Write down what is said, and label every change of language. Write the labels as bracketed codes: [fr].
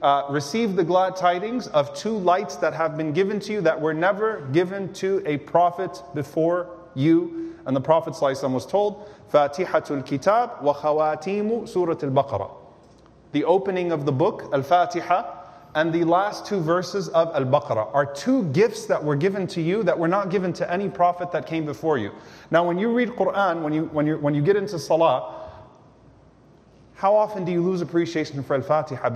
[en] receive the glad tidings of two lights that have been given to you that were never given to a prophet before you. And the Prophet ﷺ was told, [ar] فَاتِحَةُ الْكِتَابِ وَخَوَاتِيمُ سُورَةِ الْبَقَرَةِ. [en] The opening of the book, Al-Fatiha, and the last two verses of Al-Baqarah are two gifts that were given to you that were not given to any prophet that came before you. Now when you read Qur'an, when you get into Salah, how often do you lose appreciation for Al-Fatiha?